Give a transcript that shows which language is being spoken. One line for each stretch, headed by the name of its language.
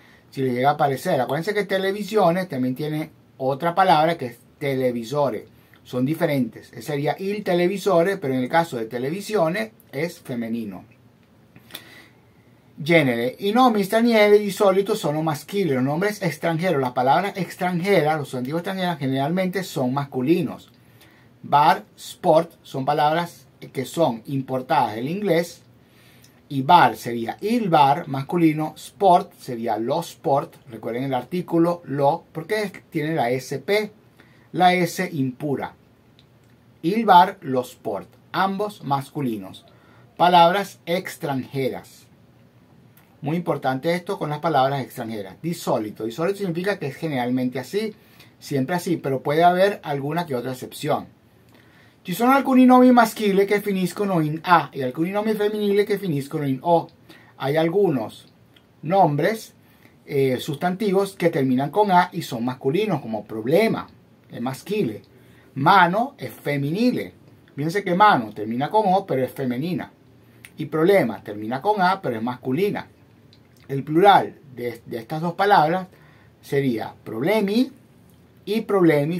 Spanish: Si les llega a aparecer, acuérdense que televisione también tiene otra palabra que es televisore. Son diferentes. Sería il televisore, pero en el caso de televisione es femenino. Genere.
Italian: I nomi stranieri di solito sono maschili.
Spanish: Los nombres extranjeros, las palabras extranjeras, los sustantivos extranjeros generalmente son masculinos. Bar, sport, son palabras que son importadas del inglés. Y bar sería il bar, masculino. Sport sería lo sport. Recuerden el artículo lo, porque tiene la SP, la S impura. il bar, lo sport, ambos masculinos. Palabras extranjeras. Muy importante esto con las palabras extranjeras. Disólito. Disólito significa que es generalmente así, siempre así, pero puede haber alguna que otra excepción.
Italian: Ci sono alcuni nomi maschili che finiscono in A e alcuni nomi femminili che finiscono in O.
Spanish: Hay algunos nombres sustantivos que terminan con A y son masculinos, como problema, es masculino. Mano es femminile. Fíjense que mano termina con O, pero es femenina. Y problema termina con A, pero es masculina. El plural de estas dos palabras sería problemi y problemi.